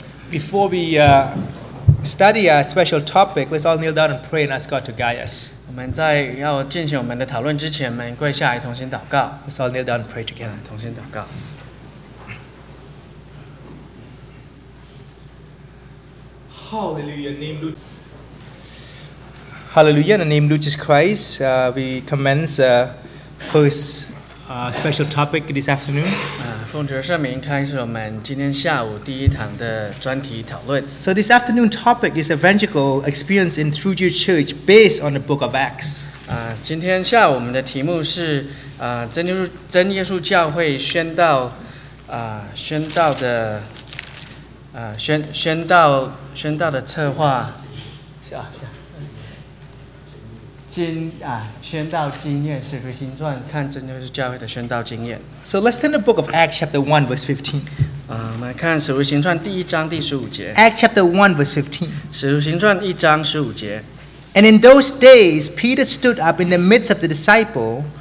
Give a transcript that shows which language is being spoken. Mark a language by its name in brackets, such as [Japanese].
[English] Before we study a special topic, let's all kneel down and pray and ask God to guide us. [Chinese] 我们在要进行我们的讨论之前，我们跪下来同心祷告。 [English] Let's all kneel down and pray together. [Chinese] 同心祷告。 [English] Hallelujah, in the name of Jesus Christ, we commence first special topic this afternoon. [Chinese] 奉主圣名开始我们今天下午第一堂的专题讨论。 [English] So this afternoon topic is evangelical experience in True Jesus Church based on the Book of Acts. [Chinese] 今天下午我们的题目是真耶稣教会宣道，宣道的，宣道的策划。宣道经验，使徒行传，看真耶稣教会的宣道经验。 [English] So let's turn the book of Acts chapter 1 verse 15. [Chinese] 我们看使徒行传第一章第十五节。 [English] Acts chapter 1 verse 15. [Chinese] 使徒行传一章十五节。 [English] And in those days, Peter stood up in the midst of the disciples.